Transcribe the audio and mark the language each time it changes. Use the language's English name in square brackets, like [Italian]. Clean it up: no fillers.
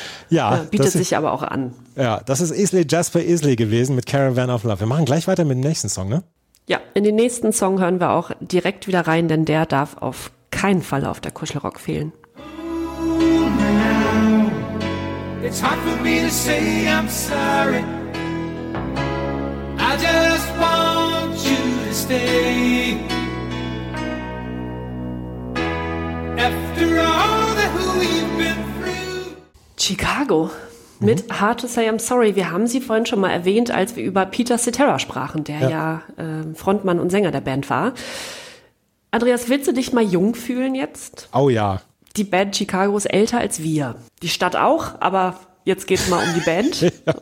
[German] Ja, bietet sich aber auch an. Ja, das ist Isley Jasper Isley gewesen mit Caravan of Love. Wir machen gleich weiter mit dem nächsten Song, ne? Ja, in den nächsten Song hören wir auch direkt wieder rein, denn der darf auf keinen Fall auf der Kuschelrock fehlen. [English] It's hard for me to say I'm sorry. I just want you to stay. After all that we've been through. [German] Chicago. Mit Hard to Say I'm Sorry. Wir haben sie vorhin schon mal erwähnt, als wir über Peter Cetera sprachen, der ja Frontmann und Sänger der Band war. Andreas, willst du dich mal jung fühlen jetzt? Oh ja. Die Band Chicago ist älter als wir. Die Stadt auch, aber jetzt geht's mal um die Band.